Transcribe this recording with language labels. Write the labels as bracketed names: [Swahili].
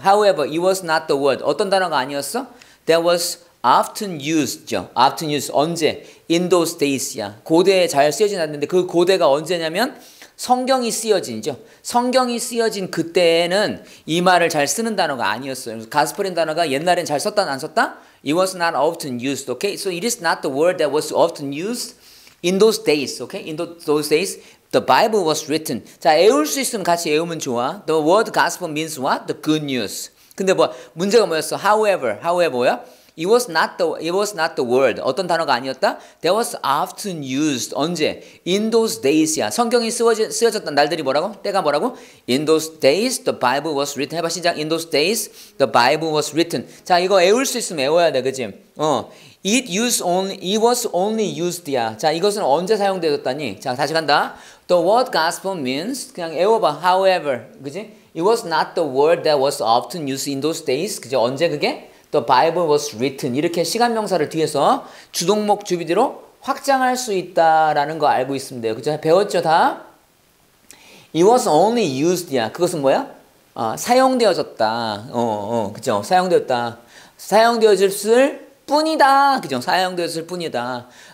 [English] However, it was not the word. [Korean] 어떤 단어가 아니었어? [English] That was often used. Often used. [Korean] 언제? [English] In those days야. [Korean] 고대에 잘 쓰여진 단어인데 그 고대가 언제냐면 성경이 쓰여진죠. 성경이 쓰여진 그때에는 이 말을 잘 쓰는 단어가 아니었어요. 가스퍼린 단어가 옛날엔 잘 썼다 안 썼다? [English] It was not often used. Okay? So it is not the word that was often used in those days. Okay? In those days. The Bible was written. [Korean] 자, 외울 수 있으면 같이 외우면 좋아. [English] The word gospel means what? The good news. [Korean] 근데 뭐 문제가 뭐였어? [English] However요? It was not the word. [Korean] 어떤 단어가 아니었다? [English] That was often used. [Korean] 언제? [English] In those days야. [Korean] 성경이 쓰여졌던 날들이 뭐라고? 때가 뭐라고? [English] In those days, the Bible was written. [Korean] 해봐 시작. [English] In those days, the Bible was written. [Korean] 자, 이거 외울 수 있으면 외워야 돼, 그지? [English] It was only used야. [Korean] 자, 이것은 언제 사용되었다니? 자, 다시 간다. [English] The word gospel means [Korean] 그냥 외워봐. [English] However, [Korean] 그지? [English] It was not the word that was often used in those days. [Korean] 그지? 언제 그게? [English] The Bible was written. [Korean] 이렇게 시간 명사를 뒤에서 주동목 주비디로 확장할 수 있다라는 거 알고 있으면 돼요. 그죠? 배웠죠 다? [English] It was only used [Korean] 야. 그것은 뭐야? 사용되어졌다. 그죠? 사용되었다. 사용되어졌을 뿐이다. 그죠? 사용되었을 뿐이다.